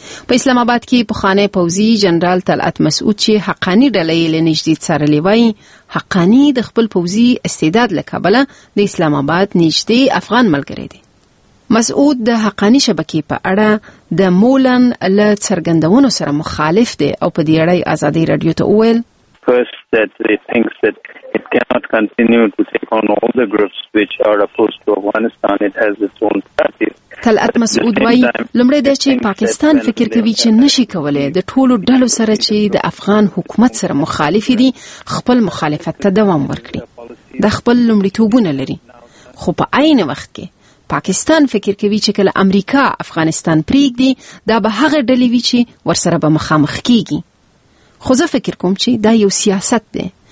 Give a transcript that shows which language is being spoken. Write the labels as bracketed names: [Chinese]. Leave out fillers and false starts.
[Pashto] په اسلام آباد کې پخوانی پوځي جنرال طلعت مسعود چې حقانی ډلې له نږدې سره لیوي، حقانی د خپل پوځي استعداد له کبله د اسلام آباد نږدې افغان ملګری دی. مسعود د حقانی شبکې په اړه د مولن له څرګندونو سره مخالف دی او په دې اړه ازادي رادیو ته وویل [English] First, that they think that it cannot continue to take on all the groups which are opposed to Afghanistan. It has its own strategy. [Pashto] تلعت مسعود وای لمړی د چین پاکستان فکر کوي چې نشي کولای د ټولو ډلو سره چې د افغان حکومت سره مخالفي دي خپل مخالفت ته دوام ورکړي. د خپل لمړیتوبونه لري، خو په عین وخت کې پاکستان فکر کوي چې کله امریکا افغانستان پریږدي دا به هغه ډلې وي چې ورسره به مخامخ کیږي. خو زه فکر کوم چې دا یو سیاست دی